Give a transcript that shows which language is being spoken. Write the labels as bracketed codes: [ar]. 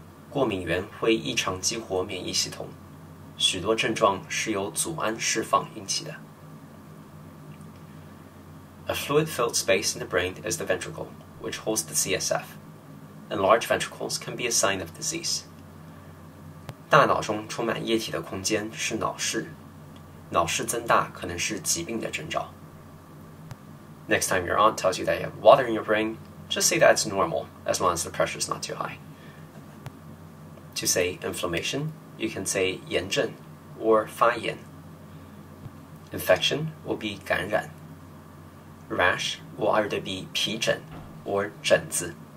[zh] 过敏原会异常激活免疫系统, 许多症状是由组胺释放引起的. [en] A fluid-filled space in the brain is the ventricle, which holds the CSF. Enlarged ventricles can be a sign of disease. [zh] 大脑中充满液体的空间是脑室, 脑室增大可能是疾病的征兆. [en] Next time your aunt tells you that you have water in your brain, just say that it's normal, as long as the pressure is not too high. To say inflammation, you can say 炎症 or 发炎. Infection will be 感染.Rash will either be 皮疹 or 疹子.